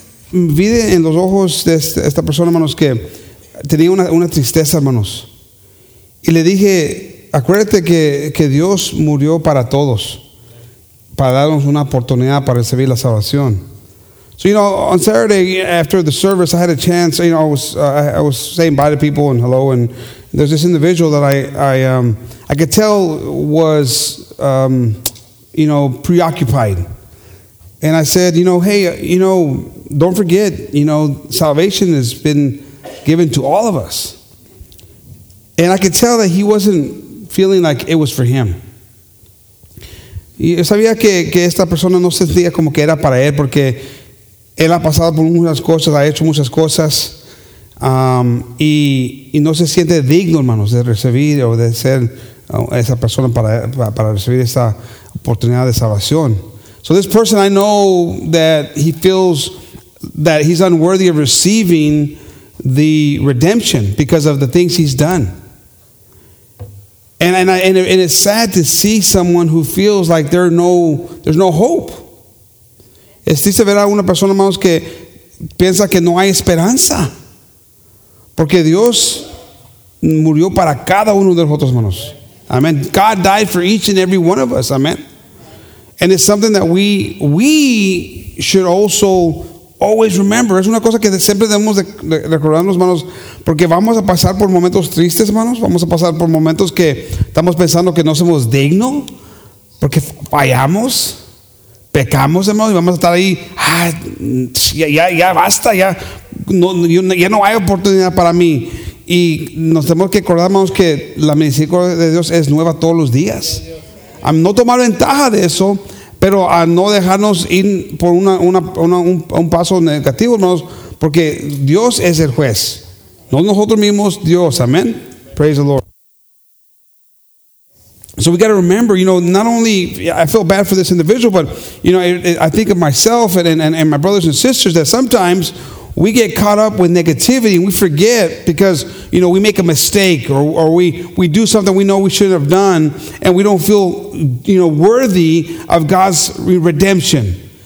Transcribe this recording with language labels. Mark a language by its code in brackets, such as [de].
[es] Vi en los ojos de esta persona, hermanos, que tenía una tristeza, hermanos. Y le dije, acuérdate que Dios murió para todos, para darnos una oportunidad para recibir la salvación. [en] So, you know, on Saturday after the service, I had a chance, you know, I was saying bye to people and hello, and there's this individual that I could tell was, you know, preoccupied. And I said, you know, hey, you know, don't forget, you know, salvation has been given to all of us. And I could tell that he wasn't feeling like it was for him. [es] Y sabía que esta persona no sentía como que era para él, porque él ha pasado por muchas cosas, ha hecho muchas cosas, y no se siente digno, hermanos, de recibir o de ser esa persona para recibir esta oportunidad de salvación. [en] So this person, I know that he feels that he's unworthy of receiving the redemption because of the things he's done. And it's sad to see someone who feels like there's no hope. [es] Es triste ver a una persona, hermanos, que piensa que no hay esperanza. Porque Dios murió para cada uno de nosotros, hermanos. Amen. [en] God died for each and every one of us. Amen. And it's something that we should also always remember. [es] Es una cosa que siempre debemos de recordarnos, hermanos, porque vamos a pasar por momentos tristes, hermanos. Vamos a pasar por momentos que estamos pensando que no somos dignos, porque fallamos, pecamos, hermanos, y vamos a estar ahí, ya basta, ya no hay oportunidad para mí. Y nos tenemos que acordar, hermanos, que la misericordia de Dios es nueva todos los días. A no tomar ventaja de eso, pero a no dejarnos ir por un paso negativo, hermanos, porque Dios es el juez, no nosotros mismos, Dios. [en] Amen. Praise the Lord. So we got to remember, you know, not only I feel bad for this individual, but you know, I think of myself and my brothers and sisters, that sometimes we get caught up with negativity and we forget because, you know, we make a mistake or we do something we know we shouldn't have done and we don't feel, you know, worthy of God's redemption.